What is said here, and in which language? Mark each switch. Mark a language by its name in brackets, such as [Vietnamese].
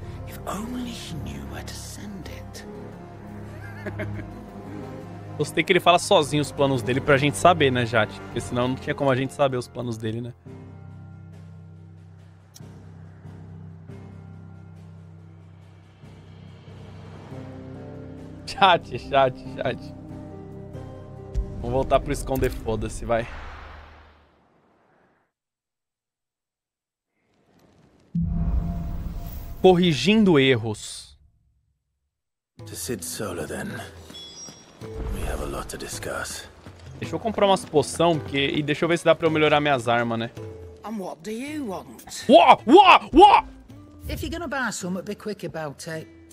[English] If only he knew where to send it. [Portuguese] Gostei que ele fala sozinho os planos dele pra gente saber, né, Jat? Porque senão não tinha como a gente saber os planos dele, né? Chat. Vamos voltar pro esconder, foda-se, vai. Corrigindo erros. [English] To Cid Sola, then. We have a lot to discuss. [Portuguese] Deixa eu comprar umas poção, porque... E deixa eu ver se dá pra eu melhorar minhas armas, né? [English] And what do you want? What? If you're gonna buy some, be quick about it.